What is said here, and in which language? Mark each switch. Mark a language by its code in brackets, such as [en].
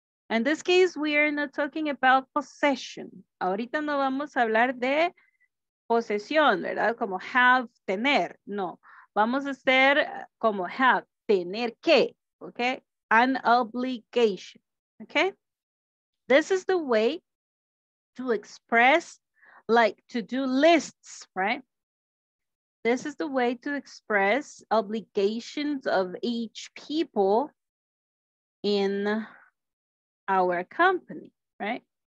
[en] In this case, we are not talking about possession. [es] Ahorita no vamos a hablar de posesión, ¿verdad? Como have, tener. No, vamos a hacer como have, tener que. [en] Okay, an obligation, okay? This is the way to express like to-do lists, right? This is the way to express obligations of each people in our company, right?